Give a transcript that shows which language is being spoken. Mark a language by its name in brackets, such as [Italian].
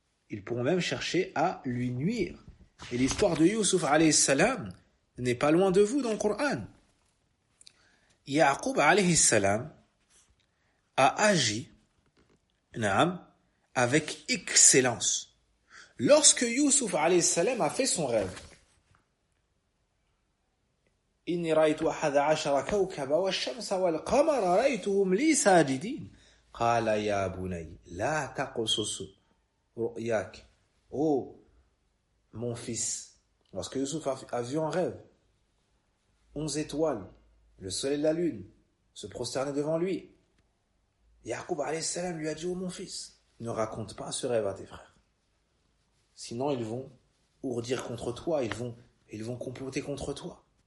[French] Ils pourront même chercher à lui nuire. Et l'histoire de Youssouf alayhi salam n'est pas loin de vous dans le Coran. Yaqub alayhi salam a agi, naam, avec excellence. Lorsque Youssouf alayhi salam a fait son rêve, [Arabic] إني رأيت أحد عشر كوكبا والشمس والقمر رأيتهم لي ساجدين قال يا بني لا تقصص رؤياك [French] oh mon fils. Lorsque Youssouf a vu en rêve 11 étoiles, le soleil et la lune se prosternaient devant lui, Yaqub alayhi salam lui a dit: oh mon fils, ne raconte pas ce rêve à tes frères, sinon ils vont ourdir contre toi, ils vont comploter contre toi.